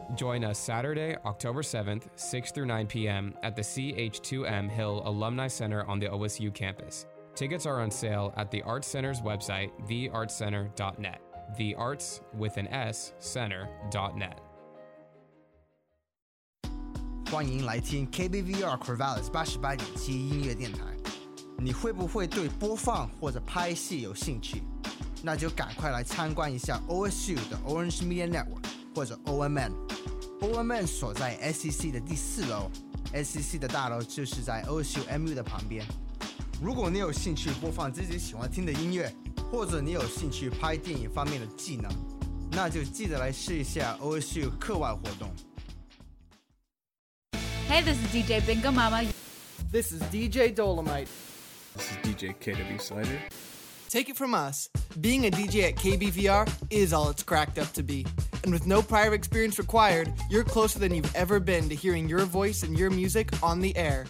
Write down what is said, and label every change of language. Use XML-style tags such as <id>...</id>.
<en>Join us Saturday, October 7th, 6 through 9 p.m. at the CH2M Hill Alumni Center on the OSU campus. Tickets are on sale at the Arts Center's website, theartscenter.net. The Arts with an S, center.net.</en> <zh>欢迎来听 KBVR Corvallis 88.7音乐电台。你会不会对播放或者拍戏有兴趣？那就赶快来参观一下 OSU 的 Orange Media Network 或者 OMN。 OMN 所在 SEC 的第四楼 ，SEC 的大楼就是在 OSU MU 的旁边。如果你有兴趣播放自己喜欢听的音乐，或者你有兴趣拍电影方面的技能，那就记得来试一下 OSU 课外活动。</zh> <en>Hey, this is DJ Bingo Mama. This is DJ Dolomite. This is DJ KW Slider. Take it from us. Being a DJ at KBVR is all it's cracked up to be. and with no prior experience required, you're closer than you've ever been to hearing your voice and your music on the air.</en>